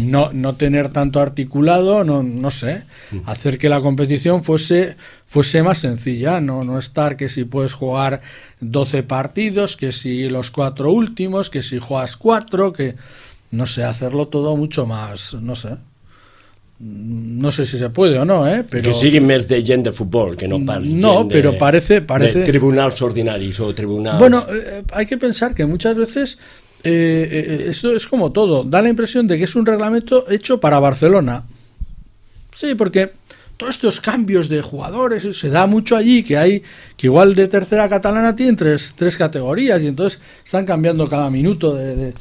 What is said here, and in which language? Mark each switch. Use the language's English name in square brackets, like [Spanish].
[Spanish] No tener tanto articulado, no sé, hacer que la competición fuese más sencilla, no estar que si puedes jugar 12 partidos, que si los 4 últimos, que si juegas 4, que no sé, hacerlo todo mucho más, no sé. no sé si se puede o no, ¿eh? Pero... [Catalan] Que siguin més de gent de futbol, que no pas no, gent però de, [Spanish] parece, parece... [Catalan] de tribunals ordinaris o tribunals... [Spanish] Bueno, hay que pensar que muchas veces... esto es como todo, da la impresión de que es un reglamento hecho para Barcelona. Sí, porque todos estos cambios de jugadores se da mucho allí, que hay que igual de tercera catalana tienen tres categorías y entonces están cambiando cada minuto de...